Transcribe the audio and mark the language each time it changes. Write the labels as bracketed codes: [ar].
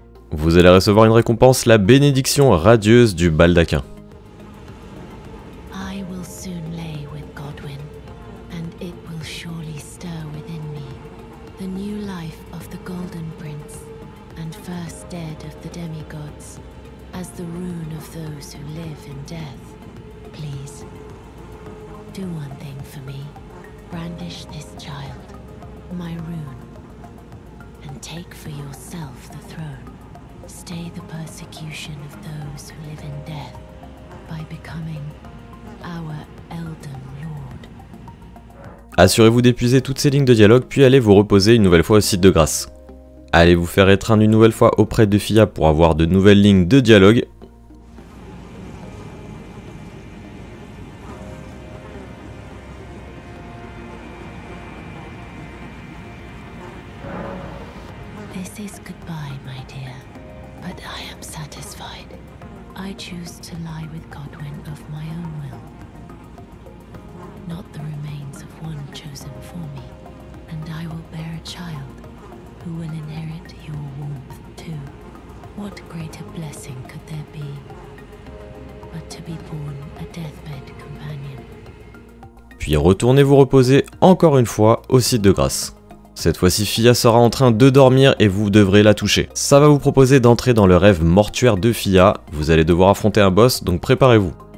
[fr] Vous allez recevoir une récompense, la bénédiction radieuse du baldaquin. [en] I will soon lay with Godwin, and it will surely stir within me the new life of the Golden Prince, and first dead of the demigods. As the rune of those who live in death, please, do one thing for me. Brandish this child, my rune, and take for yourself the throne. Stay the persecution of those who live in death by becoming our Elden Lord. [fr] Assurez-vous d'épuiser toutes ces lignes de dialogue, puis allez vous reposer une nouvelle fois au site de grâce. Allez vous faire étreindre une nouvelle fois auprès de Fia pour avoir de nouvelles lignes de dialogue. [en] This is goodbye, my dear. But I am satisfied. I choose to lie with Godwin of my own will. Not the remains of one chosen for me. And I will bear a child. Who will inherit your warmth too? What greater blessing could there be but to be born a deathbed companion? [fr] Puis retournez vous reposer encore une fois au site de grâce. Cette fois-ci, Fia sera en train de dormir et vous devrez la toucher. Ça va vous proposer d'entrer dans le rêve mortuaire de Fia. Vous allez devoir affronter un boss, donc préparez-vous.